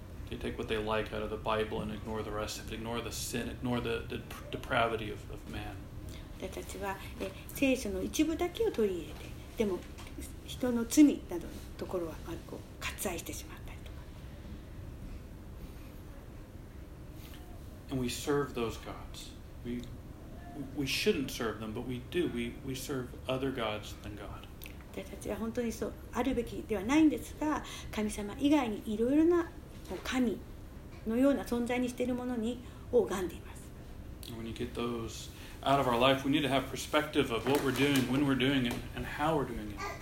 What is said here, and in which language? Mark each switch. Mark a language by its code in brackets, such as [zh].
[en] They take what they like out of the Bible and ignore the rest of it, ignore the sin, ignore the depravity of man. [ja] 私たちは、聖書の一部だけを取り入れて、でも人の罪などのところは割愛してしまったりとか。 [en] And we serve those gods. We shouldn't serve them, but we do. We serve other gods than God. [ja] 私たちは本当にそうあるべきではないんですが、神様以外にいろいろな神のような存在にしているものに拝んでいます。 [en] And when you get those out of our life, we need to have perspective of what we're doing, when we're doing it, and how we're doing it.